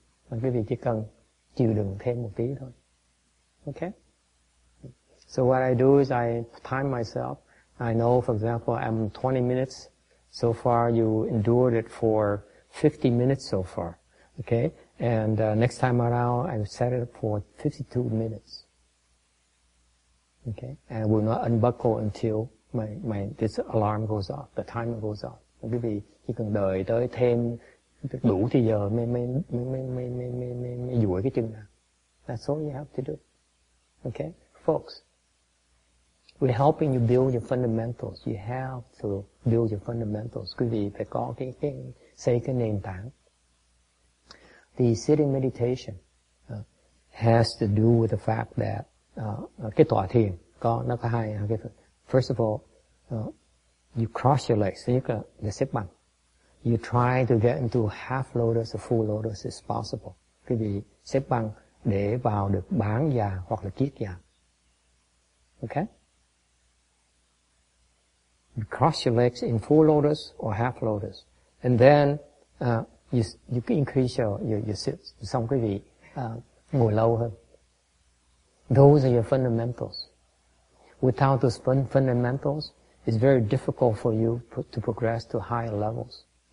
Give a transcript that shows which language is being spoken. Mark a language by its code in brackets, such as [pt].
[vi] Mà quý vị chỉ cần chịu đựng thêm một tí thôi. [en] Okay? So what I do is I time myself. I know, for example, I'm 20 minutes. So far, you endured it for 50 minutes so far. Okay? And next time around, I set it for 52 minutes. Okay? And will not unbuckle until my this alarm goes off, the timer goes off. [vi] Mà quý vị chỉ cần đợi tới thêm đủ thì giờ mới duỗi cái chân nào. [en] That's all you have to do. Okay? Folks, we're helping you build your fundamentals. You have to build your fundamentals. [vi] Quý vị phải có cái xây cái nền tảng. [en] The sitting meditation has to do with the fact that [vi] cái tọa thiền có nó có hai cái. [en] First of all, you cross your legs. [vi] Thứ nhất là xếp bằng. [en] You try to get into half lotus or full lotus if possible. [vi] Quý vị xếp bằng để vào được bán già hoặc là kiết già. [en] Okay? You cross your legs in full lotus or half lotus. And then you increase your sit. [vi] Xong quý vị ngồi lâu hơn. [en] Those are your fundamentals. Without those fundamentals, it's very difficult for you to progress to higher levels.